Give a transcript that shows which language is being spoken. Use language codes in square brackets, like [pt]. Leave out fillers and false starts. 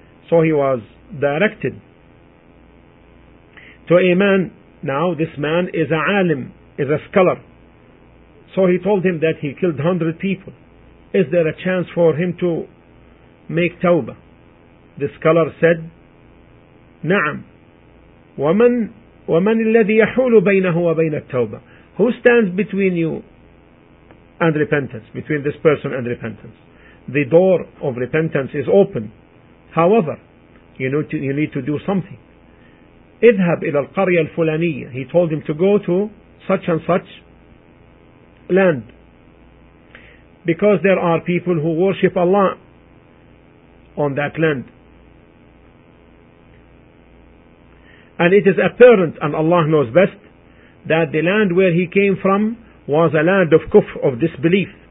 [en] So he was directed to a man. Now this man is a alim, is a scholar. So he told him that he killed 100 people. Is there a chance for him to make tawbah? The scholar said, [ar] نعم. ومن الذي يحول بينه وبين التوبة? [en] Who stands between you and repentance, between this person and repentance? The door of repentance is open. However, you need to do something. [ar] اذهب إلى القرية الفلانية. [en] He told him to go to such and such land, because there are people who worship Allah on that land. And it is apparent, and Allah knows best, that the land where he came from was a land of kufr, of disbelief.